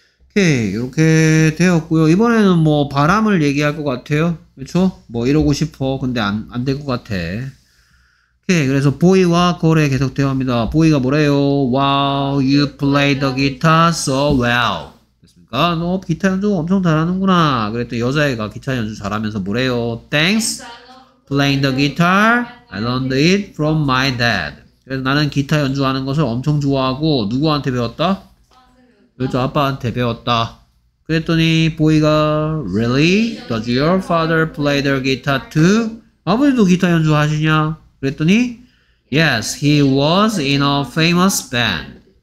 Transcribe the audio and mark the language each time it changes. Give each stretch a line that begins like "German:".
Korean: 오케이, 이렇게 되었고요. 이번에는 뭐 바람을 얘기할 것 같아요. 그렇죠? 뭐 이러고 싶어. 근데 안 될 것 같아. 오케이, 그래서 보이와 걸에 계속 대화합니다. 보이가 뭐래요?
English: Wow, you play the guitar so well.
Korean: 됐습니까? 너 기타 연주 엄청 잘하는구나. 그랬더니 여자애가 기타 연주 잘하면서 뭐래요?
English: Thanks. Playing the guitar, I learned it from my dad.
Korean: 그래서 나는 기타 연주하는 것을 엄청 좋아하고 누구한테 배웠다? 그렇죠, 아빠한테 배웠다. 그랬더니 보이가
English: Really? Does your father play the guitar too?
Korean: 아버지도 기타 연주하시냐? 그랬더니
English: Yes, he was in a famous band.